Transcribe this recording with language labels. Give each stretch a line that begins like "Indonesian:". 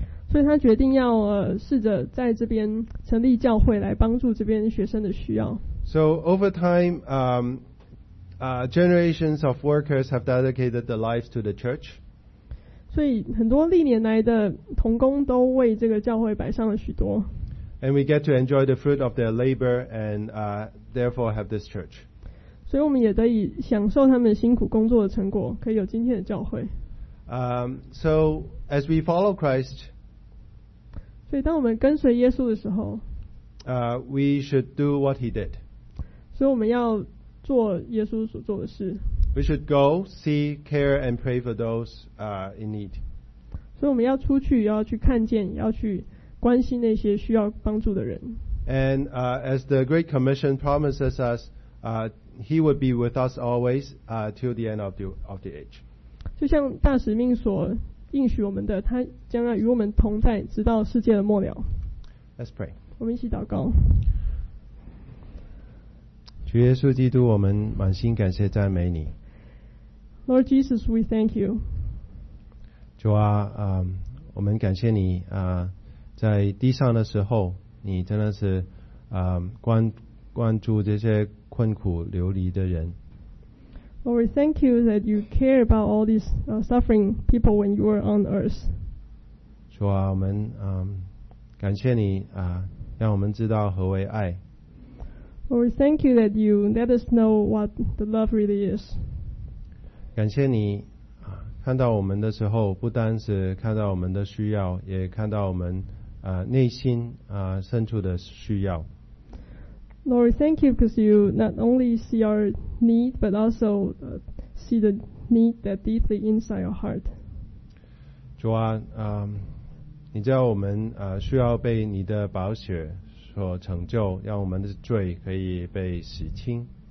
Chinese: 所以他决定要试着在这边成立教会，来帮助这边学生的需要。
English: So over time, generations of workers have dedicated their lives to the church.
Chinese: 所以很多历年来的同工都为这个教会摆上了许多。
English: And we get to enjoy the fruit of their labor and therefore have this church.
Chinese: 所以我们也得以享受他们辛苦工作的成果，可以有今天的教会。
English: So as we follow Christ,
Chinese: 所以当我们跟随耶稣的时候，
English: We should do what he did.
Chinese: 所以我们要做耶稣所做的事。
English: We should go, see, care, and pray for those in need.
Chinese: 所以我们要出去，要去看见，要去关心那些需要帮助的人。
English: And as the Great Commission promises us, he would be with us always till the end of the age.
Chinese: 就像大使命所应许我们的，他将要与我们同在，直到世界的末了。
English: Let's pray.
Chinese: 我们一起祷告。主耶稣基督，我们满心感谢赞美你。
English: Lord Jesus, we thank you.
Chinese: 主啊，我们感谢你啊，在地上的时候，你真的是关注这些困苦流离的人。
English: Lord, we thank you that you care about all these suffering people when you are on earth.
Chinese: 主啊，我们感谢你啊。让我们知道何为爱。
English: Lord, we thank you that you let us know what the love really is.
Chinese: 感谢你看到我们的时候，不单是看到我们的需要，也看到我们内心深处的需要。
English: Lord, thank you because you not only see our need, but also see the need that deeply inside our heart.
Chinese: 主啊，你知道我们需要被你的宝血所成就，让我们的罪可以被洗清。